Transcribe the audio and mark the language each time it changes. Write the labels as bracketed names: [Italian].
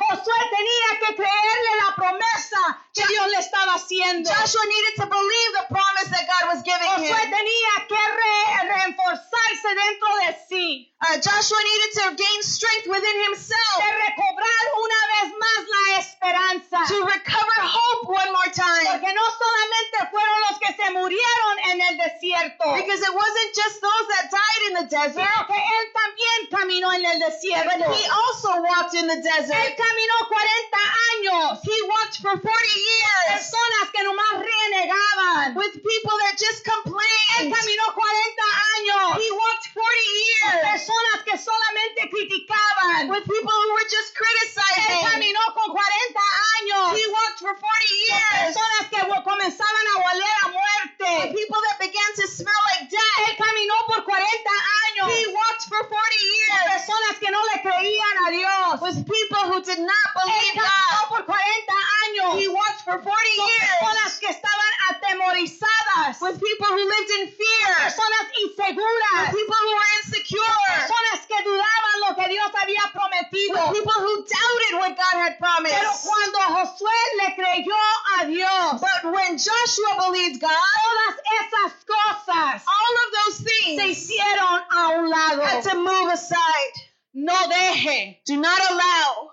[Spanish] Josué tenía que creerle la promesa que Dios le estaba haciendo. [English] Joshua needed to believe the promise that God was giving him. [Spanish] Josué tenía que reforzarse dentro de sí. [English] Joshua needed to gain strength within himself. [Spanish] De recobrar una vez más la esperanza. [English] To recover hope one more time. [Spanish] Porque no solamente fueron los que se murieron en el desierto. [English] Because it wasn't just those that died in the desert. [Spanish] Pero que él también caminó en el desierto. [English] But he also walked in the desert. [Spanish] Él caminó 40 años. [English] He walked for 40 years. [Spanish] Personas que nomás renegaban. [English] With people that just complained. [Spanish] Él caminó 40 años. [English] He walked 40 years. [Spanish] Personas que solamente criticaban. [English] With people who were just criticizing. [Spanish] Él caminó con 40 años. [English] He walked for 40 years. [Spanish] Personas que comenzaban a oler a muerte. [English] With people that began to smell like death. [Spanish] Él caminó por 40 años. [English] He walked for 40 years. [Spanish] Con personas que no le creían a Dios. [English] With people who did not believe God. [Spanish] Él caminó por 40 años. [English] He walked for 40 years. [Spanish] Con personas que estaban atemorizadas. [English] With people who lived in fear. [Spanish] Con personas inseguras. [English] With people who were insecure. [Spanish] Personas que dudaban lo que Dios había prometido. [English] With people who doubted what God had promised. [Spanish] Pero cuando Josué le creyó a Dios. [English] But when Joshua believed God. [Spanish] Todas esas cosas. [English] All of those things. [Spanish] Se hicieron a un lado. [English] Had to move aside. [Spanish] No deje. [English] Do not allow.